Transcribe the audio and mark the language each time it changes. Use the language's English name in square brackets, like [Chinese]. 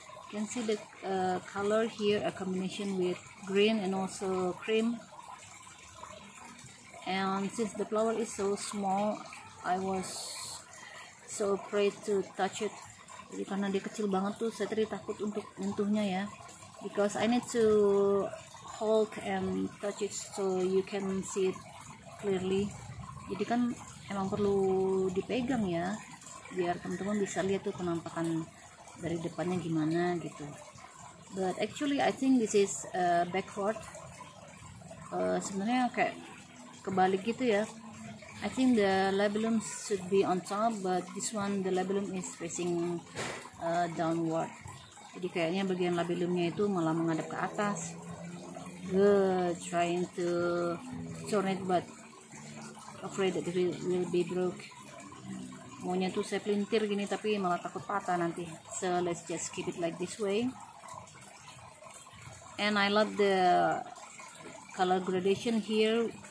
[English] You can see the color here, a combination with green and also cream. And since the flower is so small, I was so afraid to touch it. [Indonesian] Jadi karena dia kecil banget tuh, saya tadi takut untuk nyentuhnya ya. [English] Because I need to hold and touch it so you can see it clearly. [Indonesian] Jadi kan emang perlu dipegang ya, biar teman-teman bisa lihat tuh penampakan dari depannya gimana gitu. [English] But actually, I think this is backward. Sebenarnya kayak kebalik gitu ya. I think the labellum should be on top, but this one the labellum is facing downward. [Indonesian] Jadi kayaknya bagian labellumnya itu malah menghadap ke atas. [English] Good, trying to turn it, but afraid that it will be broke. [Indonesian] Maunya tuh saya pelintir gini, tapi malah takut patah nanti. So let's just keep it like this way. [English] And I love the color gradation here.